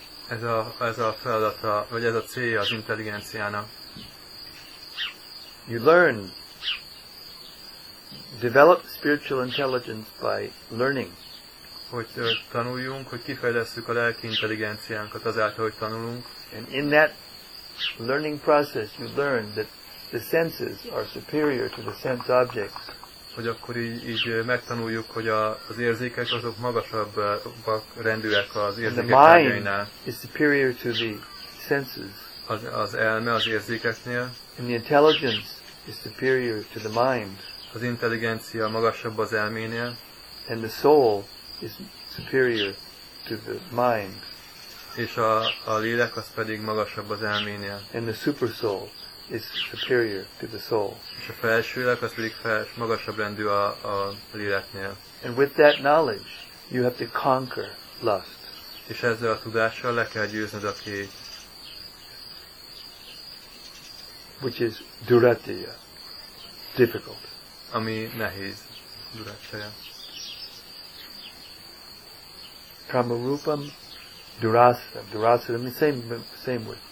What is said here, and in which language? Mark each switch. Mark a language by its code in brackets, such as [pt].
[hu] Ez a feladata, vagy ez a célja az intelligenciának. [en] You learn, develop spiritual intelligence by learning. [hu] Hogy tanuljunk, hogy kifejlesszük a lelki intelligenciánkat azáltal, hogy tanulunk. [en] And in that learning process you learn that the senses are superior to the sense objects. [hu] Hogy akkor így megtanuljuk, hogy az érzékek azok magasabb rendűek az érzékek tárgyainál. [en] And the mind is superior to the senses. [hu] Az elme az érzékeknél. [en] And the intelligence is superior to the mind. [hu] Az intelligencia magasabb az elménél. [en] And the soul is superior to the mind. [hu] És a lélek az pedig magasabb az elménél. [en] And the super soul is superior to the soul. [hu] És a felső lélek az pedig magasabb rendű a léleknél. [en] And with that knowledge you have to conquer lust. [hu] És ezzel a tudással le kell győznöd a kéhet. [en] Which is duratya, difficult. [hu] Ami nehéz, duratya. [en] Kamarupam Durasana. Durasana means same word.